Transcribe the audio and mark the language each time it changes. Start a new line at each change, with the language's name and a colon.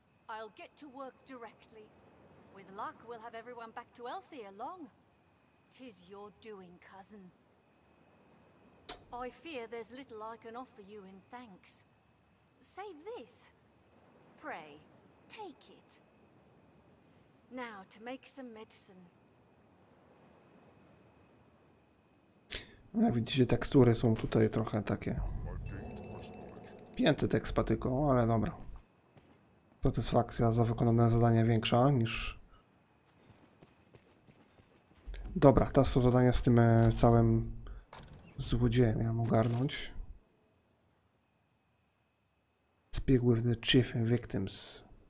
English: I'll get to work directly. With luck, we'll have everyone back to Elthia long. Tis your doing, cousin. I fear there's little I can offer you in thanks. Save this. Pray, take it. Now to make some medicine.
Polish: No, widzicie, tekstury są tutaj trochę takie. 500 ekspatyku, ale dobra. Satysfakcja za wykonane zadanie większa niż... Dobra, teraz to zadanie z tym całym złodziejem miałem ogarnąć.
English: Speak with the chief and victims.